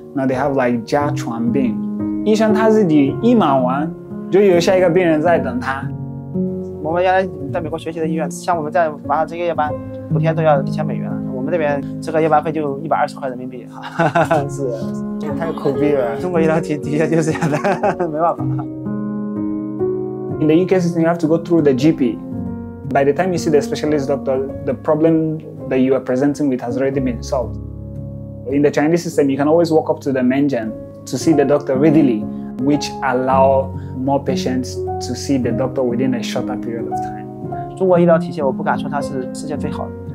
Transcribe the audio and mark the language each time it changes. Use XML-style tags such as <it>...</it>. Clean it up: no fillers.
<zh>Now they have like 家传病，医生他自己一忙完，就有下一个病人在等他。我们原来在美国学习的医院，像我们在马上这个夜班，补贴都要1000美元，我们这边这个夜班费就120块人民币。 是。太苦逼了，中国医疗体系就是这样的，没办法。</zh> <en>In the UK system, you have to go through the GP. By the time you see the specialist doctor, the problem that you are presenting with has already been solved. In the Chinese system, you can always walk up to the Menjian to see the doctor readily, which allow more patients to see the doctor within a shorter period of time.</en> <zh>中国医疗体系，我不敢说它是世界最好的。</zh>